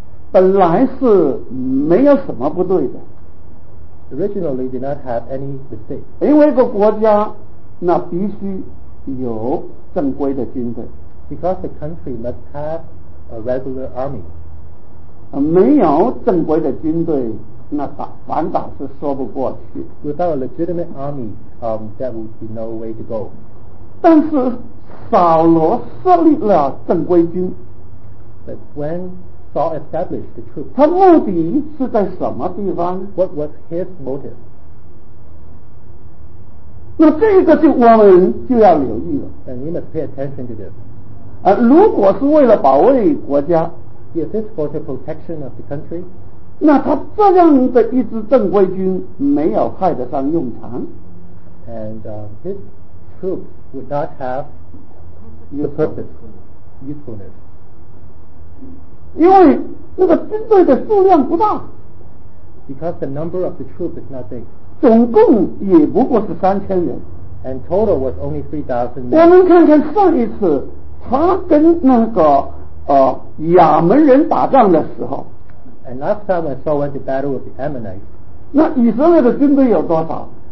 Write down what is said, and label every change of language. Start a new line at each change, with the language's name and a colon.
Chinese: 本来是没有什么不对的
English: originally did not have any mistake
Chinese: 因为一个国家那必须有正规的军队
English: because the country must have a regular army
Chinese: 没有正规的军队那反打是说不过去
English: without a legitimate army there would be no way to go
Chinese: 但是扫罗设立了正规军
English: But when Saul established the troops
Chinese: 他目的是在什么地方
English: What was his motive
Chinese: 那这个就我们就要留意了
English: And we must pay attention to this
Chinese: 如果是为了保卫国家
English: If it's for the protection of the country
Chinese: 那他这样的一支正规军没有派得上用场
English: And his troops would not haveUsefulness.
Chinese: 因为那个军队的数量不大
English: because the number of the troops is not big
Chinese: 总共也不过是3000人
English: and total was only 3,000
Chinese: 我们看看上一次他跟那个亚门人打仗的时候
English: and last time I saw when the battle with the Ammonites
Chinese: 那以色列的军队有多少